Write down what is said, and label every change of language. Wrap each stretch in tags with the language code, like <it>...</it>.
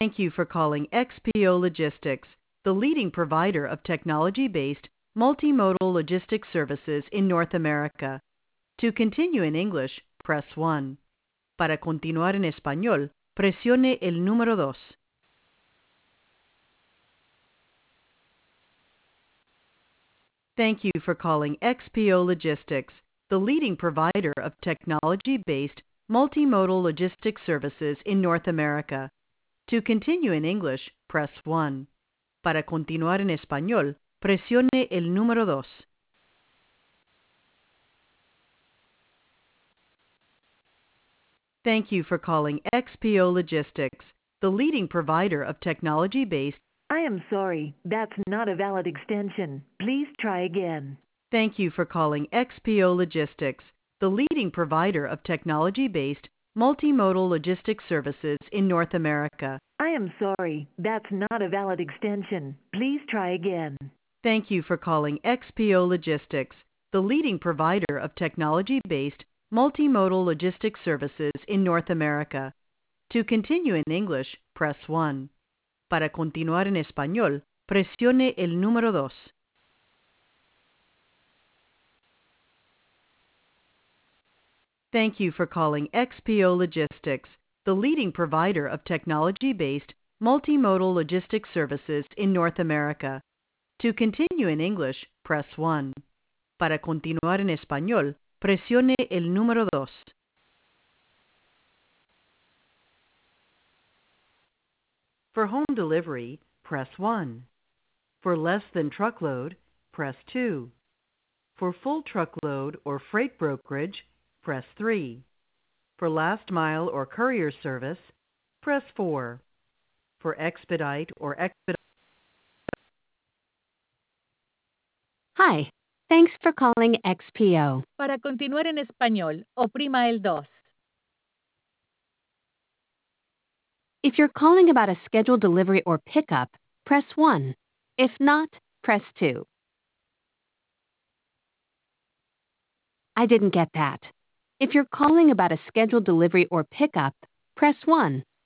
<en>Thank you for calling XPO Logistics, the leading provider of technology-based, multimodal logistics services in North America. To continue in English, press 1.</en> <es>Para continuar en español, presione el número 2.</es> <en>Thank you for calling XPO Logistics, the leading provider of technology-based, multimodal logistics services in North America. To continue in English, press 1.</en> <es>Para continuar en español, presione el número 2.</es> <en>Thank you for calling XPO Logistics, the leading provider of technology-based. I am sorry, that's not a valid extension. Please try again. Thank you for calling XPO Logistics, the leading provider of technology-based, multimodal logistics services in North America. I am sorry, that's not a valid extension. Please try again. Thank you for calling XPO Logistics, the leading provider of technology-based, multimodal logistics services in North America. To continue in English, press 1.</en> <es>Para continuar en español, presione el número 2.</es> <en>Thank you for calling XPO Logistics, the leading provider of technology-based, multimodal logistics services in North America. To continue in English, press 1.</en> <es>Para continuar en español, presione el número 2.</es> <en>For home delivery, press 1. For less than truckload, press 2. For full truckload or freight brokerage, press 3. For last mile or courier service, press 4. For expedite or expedite. Hi. Thanks for calling XPO.</en> <es>Para continuar en español, oprima el 2.</es> <en>If you're calling about a scheduled delivery or pickup, press 1. If not, press 2. I didn't get that. If you're calling about a scheduled delivery or pickup, press 1.</en>